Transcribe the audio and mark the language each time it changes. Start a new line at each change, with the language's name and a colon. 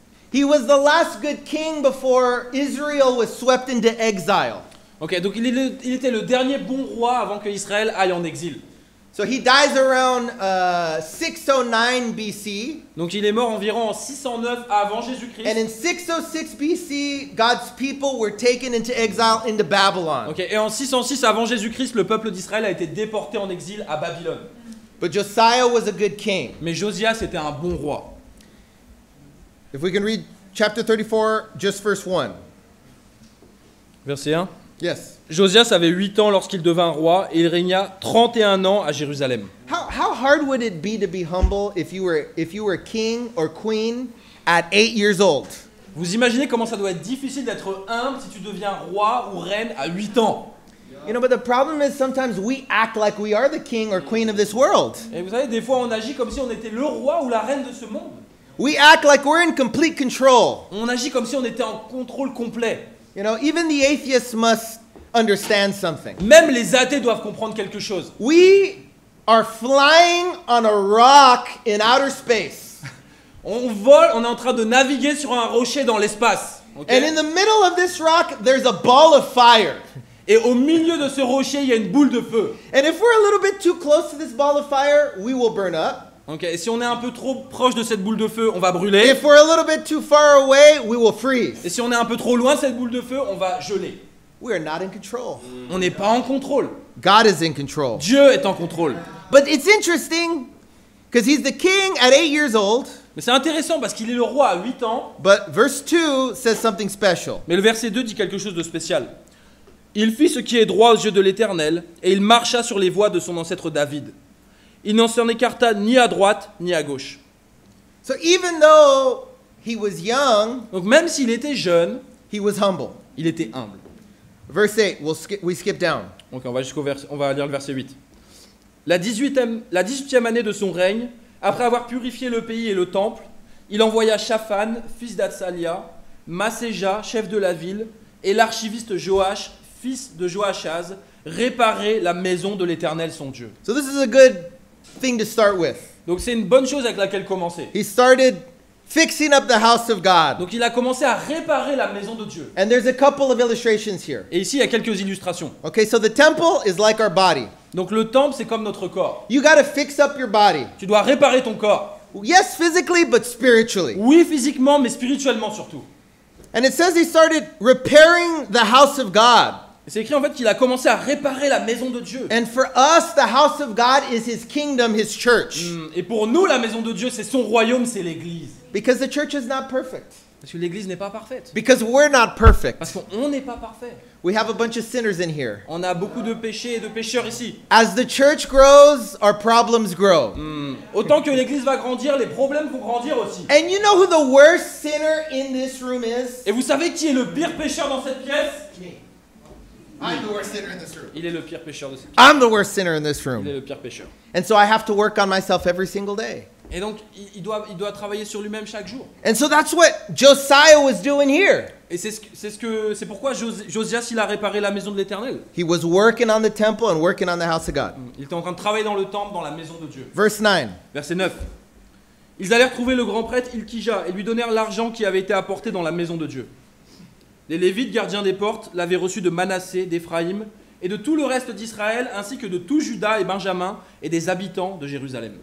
English: He was the last good king before Israel was swept into exile.
French: Okay, donc il était le dernier bon roi avant que Israël aille en exil.
English: So he dies around 609 BC.
French: Donc il est mort environ en 609 avant Jésus-Christ.
English: And in 606 BC, God's people were taken into exile into Babylon.
French: Okay, et en 606 avant Jésus-Christ, le peuple d'Israël a été déporté en exil à Babylone.
English: But Josiah was a good king.
French: Mais Josias était un bon roi.
English: If we can read chapter 34, just verse 1.
French: Verset 1.
English: Yes.
French: Josias avait 8 ans lorsqu'il devint roi et il régna 31 ans à Jérusalem.
English: How hard would it be to be humble if you were king or queen at 8 years old?
French: Vous imaginez comment ça doit être difficile d'être humble si tu deviens roi ou reine à 8 ans?
English: You know, but the problem is sometimes we act like we are the king or queen of this world.
French: Et vous savez, des fois on agit comme si on était le roi ou la reine de ce monde.
English: We act like we're in complete control.
French: On agit comme si on était en contrôle complet.
English: You know, even the atheists must understand something.
French: Même les athées doivent comprendre quelque chose.
English: We are flying on a rock in outer space.
French: On est en train de naviguer sur un rocher dans l'espace.
English: Okay? And in the middle of this rock, there's a ball of fire.
French: Et au milieu de ce rocher, il y a une boule de feu.
English: And if we're a little bit too close to this ball of fire, we will burn up. Okay.
French: Et si on est un peu trop proche de cette boule de feu, on va brûler.
English: If we're a little bit too far away, we will freeze.
French: Et si on est un peu trop loin de cette boule de feu, on va geler.
English: We are not in control.
French: On n'est pas en contrôle.
English: God is in control.
French: Dieu est en contrôle.
English: But it's interesting because he's the king at 8 years old.
French: Mais c'est intéressant parce qu'il est le roi à 8 ans.
English: But verse 2 says something special.
French: Mais le verset 2 dit quelque chose de spécial. Il fit ce qui est droit aux yeux de l'Éternel et il marcha sur les voies de son ancêtre David. Il n'en s'en écarta ni à droite ni à gauche.
English: So even though he was young,
French: donc même s'il était jeune,
English: he was humble.
French: Il était humble.
English: Verse 8, we skip down.
French: Ok, on va lire le verset 8. La 18e année de son règne, après avoir purifié le pays et le temple, il envoya Shaphan, fils d'Atsalia, Masséja, chef de la ville, et l'archiviste Joash, fils de Joachaz, réparer la maison de l'Éternel son Dieu.
English: So this is a good thing to start with.
French: Donc c'est une bonne chose avec laquelle commencer.
English: He started fixing up the house of God.
French: Donc il a commencé à réparer la maison de Dieu.
English: And there's a couple of illustrations here.
French: Et ici il y a quelques illustrations.
English: Okay, so the temple is like our body.
French: Donc le temple c'est comme notre corps.
English: You gotta fix up your body.
French: Tu dois réparer ton corps.
English: Yes, physically, but spiritually.
French: Oui, physiquement, mais spirituellement surtout.
English: And it says he started repairing the house of God.
French: C'est écrit en fait qu'il a commencé à réparer la maison de Dieu.
English: And for us, the house of God is his kingdom, his church.
French: Et pour nous, la maison de Dieu, c'est son royaume, c'est l'église.
English: Because the church is not perfect.
French: Parce que l'église n'est pas parfaite.
English: Because we're not perfect.
French: Parce qu'on n'est pas parfait.
English: We have a bunch of sinners in here.
French: On a beaucoup de péchés et de pécheurs ici.
English: As the church grows, our problems grow.
French: Autant que l'église va grandir, les problèmes vont grandir aussi.
English: And you know who the worst sinner in this room is?
French: Et vous savez qui est le pire pécheur dans cette pièce?
English: I'm the worst sinner in this room.
French: Il est le pire pécheur de cette pièce.
English: I'm the worst sinner in this room.
French: Il est le pire pécheur.
English: And so I have to work on myself every single day.
French: Et donc il doit travailler sur lui-même chaque jour.
English: And so that's what Josiah was doing here.
French: Et c'est pourquoi Josias il a réparé la maison de l'Éternel.
English: He was working on the temple and working on the house of God.
French: Il était en train de travailler dans le temple, dans la maison de Dieu.
English: Verse 9.
French: Verset 9. Ils allèrent trouver le grand prêtre Hilkija et lui donnèrent l'argent qui avait été apporté dans la maison de Dieu. Les Lévites, gardiens des portes, l'avaient reçu de Manassé, d'Éphraïm et de tout le reste d'Israël, ainsi que de tout Juda et Benjamin et des habitants de Jérusalem.